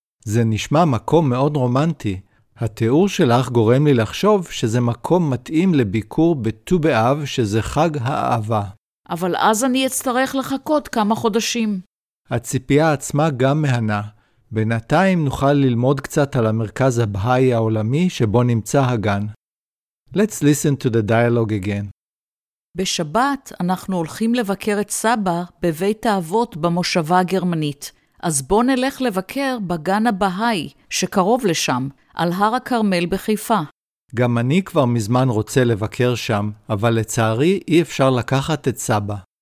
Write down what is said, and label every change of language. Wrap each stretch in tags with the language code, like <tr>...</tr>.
<he>זה נשמע מקום מאוד רומנטי. התיאור שלך גורם לי לחשוב שזה מקום מתאים לביקור בט"ו באב, שזה חג האהבה. אבל אז אני אצטרך לחכות כמה חודשים. הציפייה עצמה גם מהנה. בינתיים נוכל ללמוד קצת על המרכז הבהאי העולמי שבו נמצא הגן.</he> <en>Let's listen to the dialogue again.</en> <he>בשבת אנחנו הולכים לבקר את סבא בבית האבות במושבה הגרמנית. אז בוא נלך לבקר בגן הבהאי שקרוב לשם, על הר הכרמל בחיפה. גם אני כבר מזמן רוצה לבקר שם, אבל לצערי אי אפשר לקחת את סבא.</he>